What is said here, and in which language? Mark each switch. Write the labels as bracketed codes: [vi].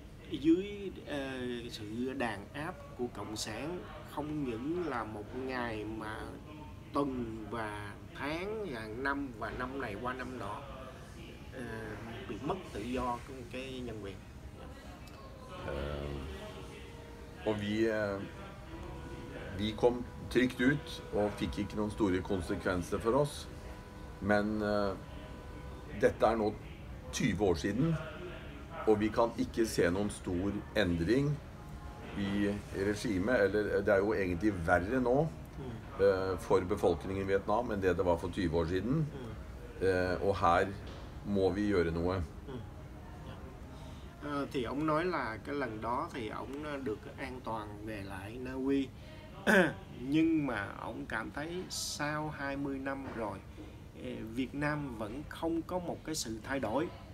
[vi] dưới sự đàn áp của cộng sản, không những là một ngày mà tuần và tháng và năm, và năm này qua năm nọ bị mất tự do cái nhân quyền. [no] Og vi kom trygt ut og fikk ikke noen store konsekvenser for oss, men dette er nå 20 år siden, og vi kan ikke se noen stor endring i regimet, eller det er jo egentlig verre nå for befolkningen i Vietnam enn det var for 20 år siden. Og her må vi gjøre noe. [vi] Thì ông nói là cái lần đó thì ông được an toàn về lại Na Uy. Nhưng mà ông cảm thấy sau 20 năm rồi Việt Nam vẫn không có một cái sự thay đổi.